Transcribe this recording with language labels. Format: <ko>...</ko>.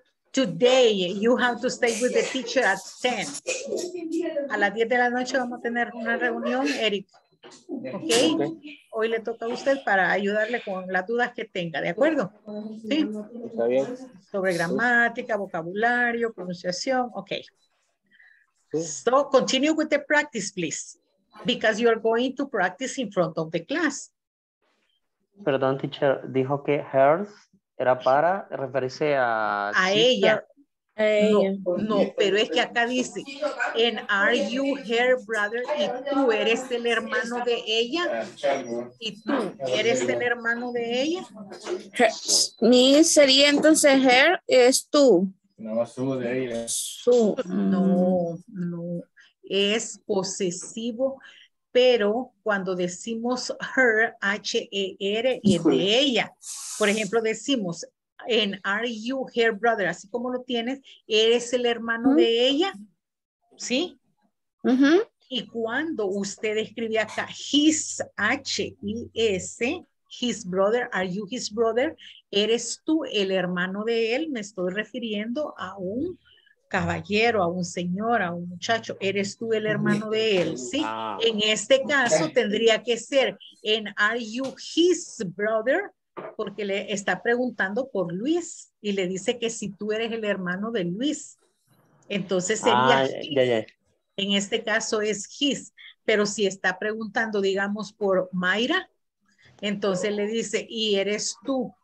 <en>Today, you have to stay with the teacher at 10.</en> <es>A las 10 de la noche vamos a tener una reunión, Eric. Okay. Ok, hoy le toca a usted para ayudarle con las dudas que tenga, ¿de acuerdo? Sí, está bien. Sobre gramática, vocabulario, pronunciación, ok. Sí.</es> <en>So continue with the practice, please, because you are going to practice in front of the class.</en> <es>Perdón, teacher, dijo que hers era para referirse a sister. Ella. No, no, pero es que acá dice,</es> <en>and are you her brother?</en> <es>Y tú eres el hermano de ella. Y tú eres el hermano de ella. Mi sería entonces her es tú. No, su de ella. No, no. Es posesivo, pero cuando decimos her, H-E-R, y es de ella. Por ejemplo, decimos.</es> <en>And are you her brother?</en> <es>Así como lo tienes, eres el hermano de ella, ¿sí? Uh-huh. Y cuando usted escribe acá, his, H-I-S,</es> <en>his brother, are you his brother?</en> <es>Eres tú el hermano de él, me estoy refiriendo a un caballero, a un señor, a un muchacho, eres tú el hermano de él, ¿sí? En este caso tendría que ser,</es> <en>and are you his brother?</en> <es>Porque le está preguntando por Luis y le dice que si tú eres el hermano de Luis, entonces sería en este caso es his, pero si está preguntando, digamos, por Mayra, entonces le dice, ¿y eres tú?</es>